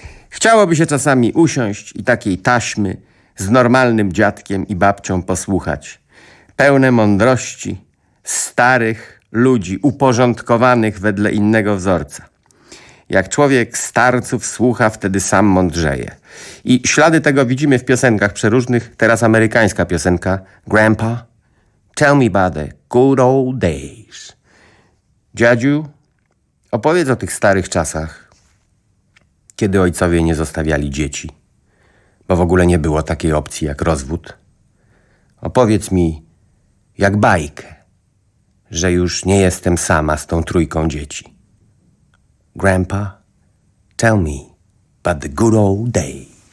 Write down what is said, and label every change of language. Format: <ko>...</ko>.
<pl>Chciałoby się czasami usiąść i takiej taśmy z normalnym dziadkiem i babcią posłuchać. Pełne mądrości starych ludzi, uporządkowanych wedle innego wzorca. Jak człowiek starców słucha, wtedy sam mądrzeje. I ślady tego widzimy w piosenkach przeróżnych. Teraz amerykańska piosenka.</pl> <en>Grandpa, tell me about the good old days.</en> <pl>Dziadziu, opowiedz o tych starych czasach, kiedy ojcowie nie zostawiali dzieci, bo w ogóle nie było takiej opcji jak rozwód. Opowiedz mi jak bajkę, że już nie jestem sama z tą trójką dzieci.</pl> <en>Grandpa, tell me about the good old days.</en>